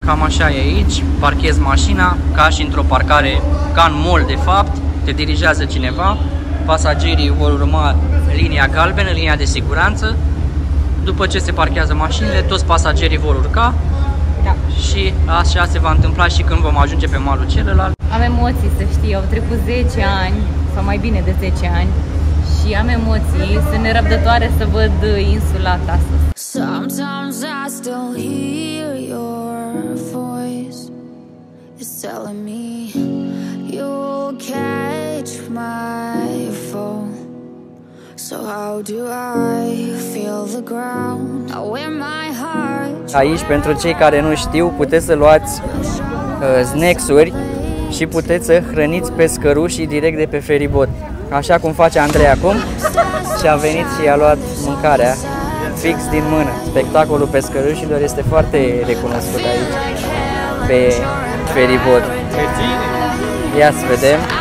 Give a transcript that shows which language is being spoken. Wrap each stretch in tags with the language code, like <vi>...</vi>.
<ro>Cam așa e aici, parchezi mașina ca și într-o parcare, ca în mall de fapt, te dirigează cineva, pasagerii vor urma linia galbenă, linia de siguranță, după ce se parchează mașinile, toți pasagerii vor urca, da. Și așa se va întâmpla și când vom ajunge pe malul celălalt. Am emoții, să știi, au trecut 10 ani, sau mai bine de 10 ani, și am emoții, sunt nerăbdătoare să văd insula ta.</ro> <en>Sometimes I still hear your voice. It's telling me you'll catch my fall. So how do I feel the ground? I wear my heart.</en> <ro>Aici, pentru cei care nu știu, puteți să luați snacks-uri și puteți să hrăniți pescărușii direct de pe feribot. Așa cum face Andrei acum. Și a venit și a luat mâncarea fix din mână. Spectacolul pescărușilor este foarte recunoscut aici pe feribot. Ia să vedem.</ro>